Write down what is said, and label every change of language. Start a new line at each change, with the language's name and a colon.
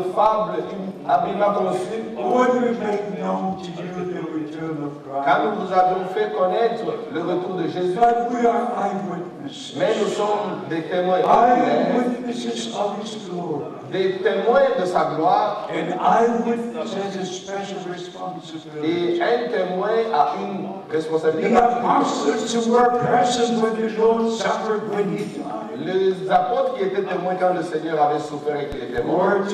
English: When we made known to you the return of Christ.
French: Quand nous vous avons fait connaître le retour de Jésus.
English: But we are eyewitnesses.
French: Mais nous sommes des témoins.
English: Eyewitnesses of His glory.
French: Des témoins de sa gloire.
English: And eyewitnesses has a special responsibility.
French: Et un témoin a une responsabilité.
English: The apostles were present when the Lord suffered when He died.
French: Les apôtres qui étaient témoins quand le Seigneur avait souffert et qu'il était mort.